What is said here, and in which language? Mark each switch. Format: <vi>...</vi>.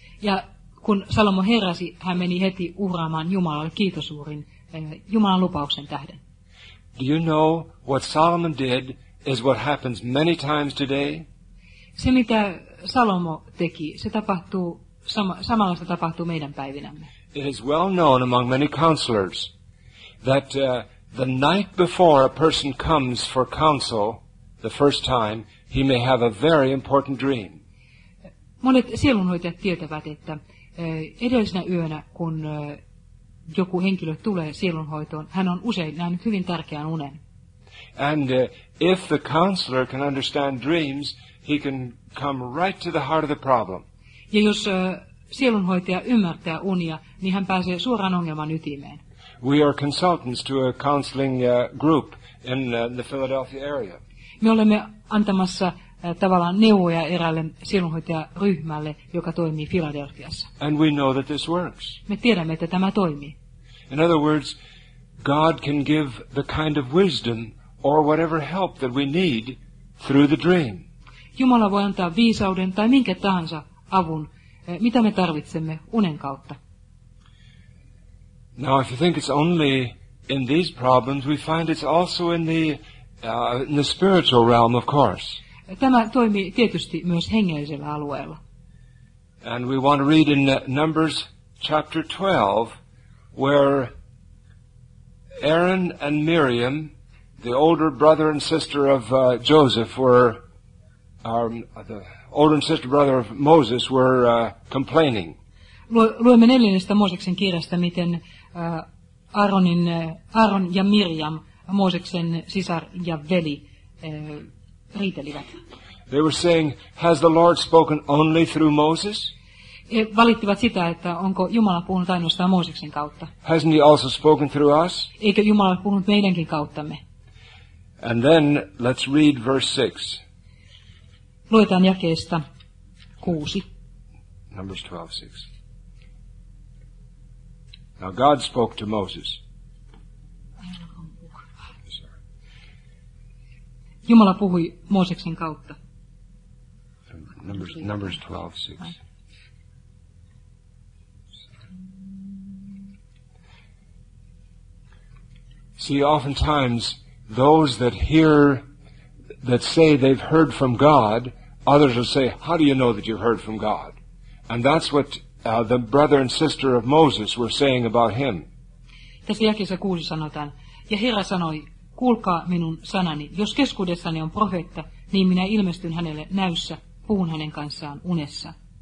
<fi>Ja kun Salomo heräsi, hän meni heti uhraamaan Jumalalle kiitosuurin Jumalan lupauksen tähden.</fi> <en>Do you know what Solomon did is what happens many times today?</en> <fi>Se mitä Salomo teki, se tapahtuu samanlaista tapahtuu meidän päivinämme.</fi> <en>It is well known among many counselors that the night before a person comes for counsel the first time, he may have a very important dream.</en> <fi>Monet sielunhoitajat tietävät, että edellisenä yönä, kun joku henkilö tulee sielunhoitoon, hän on usein nähnyt hyvin tärkeän unen.</fi> <en>And if the counselor can understand dreams, he can come right to the heart of the problem.</en> <fi>Ja jos sielunhoitaja ymmärtää unia, niin hän pääsee suoraan ongelman ytimeen.</fi> <en>We are consultants to a counseling group in the Philadelphia area.</en> <fi>Me olemme antamassa tavallaan neuvoja eräälle sielunhoitajaryhmälle, joka toimii Philadelphiassa.</fi> <en>And we know that this works.</en> <fi>Me tiedämme, että tämä toimii.</fi> <en>In other words, God can give the kind of wisdom or whatever help that we need through the dream.</en> <fi>Jumala voi antaa viisauden tai minkä tahansa avun, mitä me tarvitsemme unen kautta.</fi> <en>Now, if you think it's only in these problems, we find it's also in the spiritual realm, of course.</en> <fi>Tämä toimii tietysti myös hengellisellä alueella.</fi> <en>And we want to read in Numbers chapter 12, where Aaron and Miriam, the older brother and sister of Joseph, were complaining.</en> <fi>Luemme neljännestä Mooseksen kirjasta, miten Aaron ja Miriam, Mooseksen sisar ja veli, riitelivät.</fi> <en>They were saying, has the Lord spoken only through Moses?</en> <fi>He valittivat sitä, että onko Jumala puhunut ainoastaan Mooseksen kautta.</fi> <en>Hasn't he also spoken through us?</en> <fi>Eikö Jumala puhunut meidänkin kauttamme?</fi> <en>And then, let's read verse 6.</en> <fi>Luetaan jakeesta 6.</fi> <en>Numbers 12:6. Now God spoke to Moses.</en> <fi>Jumala puhui Mooseksen kautta.</fi> <en>Numbers 12:6. See, oftentimes, those that hear, that say they've heard from God, others will say, how do you know that you've heard from God? And that's what the brother and sister of Moses were saying about him.</en> <fi>Tässä jakeessa 6 sanotaan, ja Herra sanoi, kuulkaa minun sanani, jos keskuudessani on profeetta, niin minä ilmestyn hänelle näyssä, puhun hänen kanssaan unessa.</fi>